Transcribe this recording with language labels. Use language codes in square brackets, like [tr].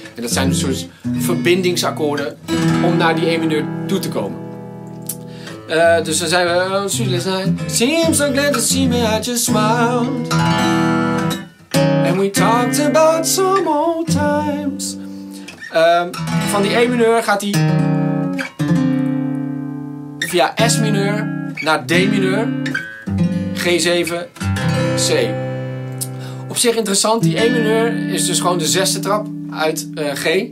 [nl] En dat zijn een soort verbindingsakkoorden om naar die E mineur toe te komen. Dus dan zijn we... [en] Seems so glad to see me, I just smiled. And we talked about some old times. [nl] Van die E mineur gaat hij via S mineur naar D mineur. G7, C. Op zich interessant, die E mineur is dus gewoon de zesde trap uit G.